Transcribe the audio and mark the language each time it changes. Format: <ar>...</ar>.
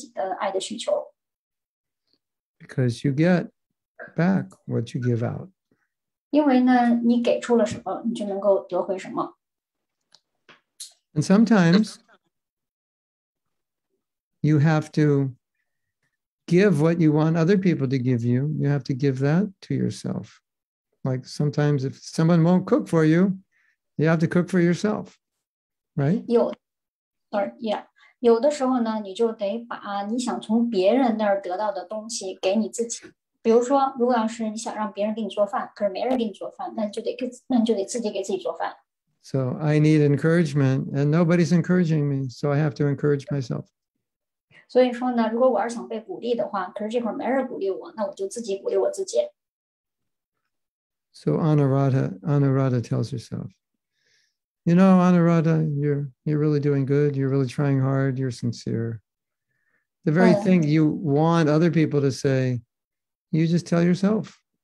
<zh>因为你，比如说你想要爱，那么你在对别人展现爱的时候，你也其实就满足了你自己的爱的需求。</zh> <en>Because you get back what you give out.</en> <zh>因为呢，你给出了什么，你就能够得回什么。</zh> <en>And sometimes you have to give what you want other people to give you. You have to give that to yourself. Like sometimes if someone won't cook for you, you have to cook for yourself, right?</en> <zh>有，对，有的时候呢，你就得把你想从别人那儿得到的东西给你自己。比如说，如果要是你想让别人给你做饭，可是没人给你做饭，那你就得自己给自己做饭。</zh> <en>So I need encouragement, and nobody's encouraging me, so I have to encourage myself.</en> <zh>所以说呢，如果我要想被鼓励的话，可是这会儿没人鼓励我，那我就自己鼓励我自己。</zh> <en>So Anuradha tells herself, you know, Anuradha, you're really doing good. You're really trying hard. You're sincere. The very thing you want other people to say, you just tell yourself.</en>